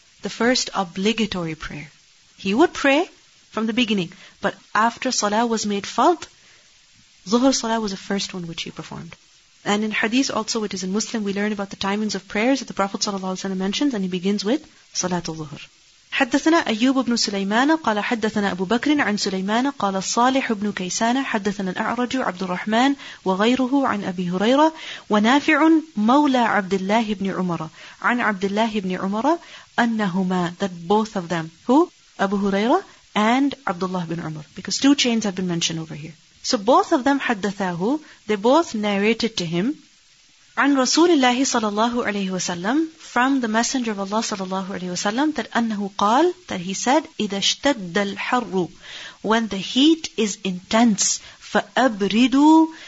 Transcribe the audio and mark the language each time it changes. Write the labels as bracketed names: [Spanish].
[English] The first obligatory prayer. He would pray from the beginning, but after Salah was made fard, Zuhr Salah was the first one which he performed. And in Hadith also, which is in Muslim, we learn about the timings of prayers that the Prophet ﷺ mentions, and he begins with Salat al-Zuhr. [Arabic] حدثنا أيوب بن سليمان قال حدثنا أبو بكر عن سليمان قال صالح بن كيسان حدثنا الأعرج عبد الرحمن وغيره عن أبي هريرة ونافع مولى عبد الله بن عمر عن عبد الله بن عمر أنهما, [English] that both of them, who? أبو هريرة and Abdullah bin Umar, because two chains have been mentioned over here. So both of them [Arabic] حدثاه, [English] they both narrated to him, [Arabic] عن رسول الله صلى الله عليه وسلم, [English] from the Messenger of Allah [Arabic] صلى الله عليه وسلم, [English] that [Arabic] أنه قال, [English] that he said, [Arabic] إذا اشتد الحر, [English] when the heat is intense, [Arabic] فأبردوا